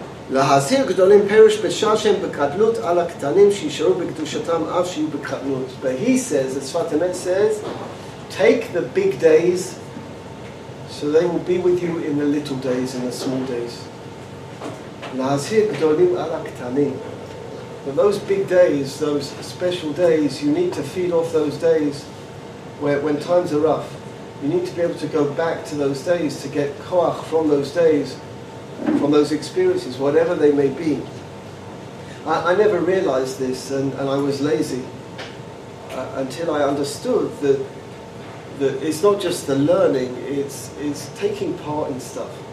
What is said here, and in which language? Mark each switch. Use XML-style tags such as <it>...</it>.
<he>להזהיר גדולים פירוש בשעה שהם בגדלות על הקטנים שישארו בקדושתם אף שיהיו בקטנות.</he> <en>But he says, the Sfat Emet says, take the big days so they will be with you in the little days, in the small days.</en> <he>להזהיר גדולים על הקטנים.</he> <en>But those big days, those special days, you need to feed off those days when times are rough. You need to be able to go back to those days to get koach from those days, from those experiences, whatever they may be. I never realized this, and I was lazy until I understood that it's not just the learning, it's taking part in stuff.</en>